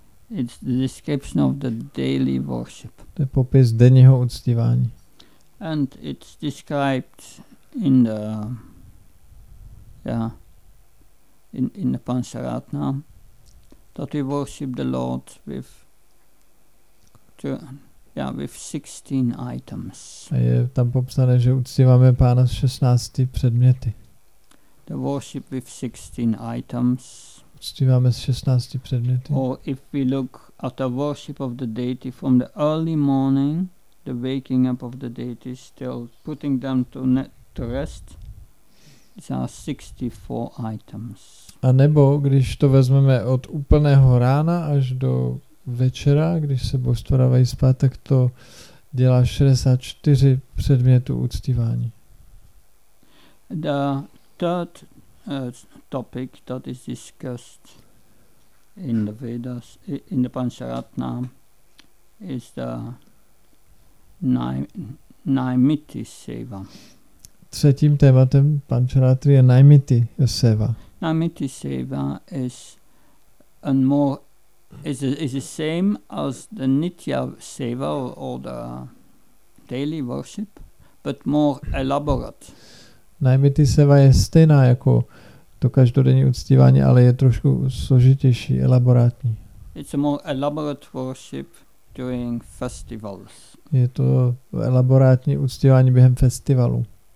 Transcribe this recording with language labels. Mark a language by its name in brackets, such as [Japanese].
[English] It's the description of the daily worship. [Czech] To je popis denního uctívání. [English] And it's described in the in the Pancharatna that we worship the Lord with 16 items. [Czech] A je tam popsané, že uctíváme pána s 16 předměty. [English] The worship with 16 items. [Czech] Uctíváme s 16 předměty. [English] Or if we look at the worship of the deity from the early morning, the waking up of the deity, still putting them to rest, these are 64 items. [Czech] A nebo když to vezmeme od úplného rána až do večera, když se božstva dávají spát, tak to dělá 64 předmětů uctívání. [English] The third topic that is discussed in the Vedas, in the Pancharatna, is the Naimiti Seva. [Czech] Třetím tématem Pancharatri je Naimiti Seva. [English] Naimiti Seva is and more is the same as the Nitya Seva or the daily worship, but more elaborate. [Czech] Naimiti Seva je stejná jako to každodenní uctívání, ale je trošku složitější, elaborátní. [English] It's a more elaborate worship during festivals. [Czech] Je to elaborátní uctívání během festivalu.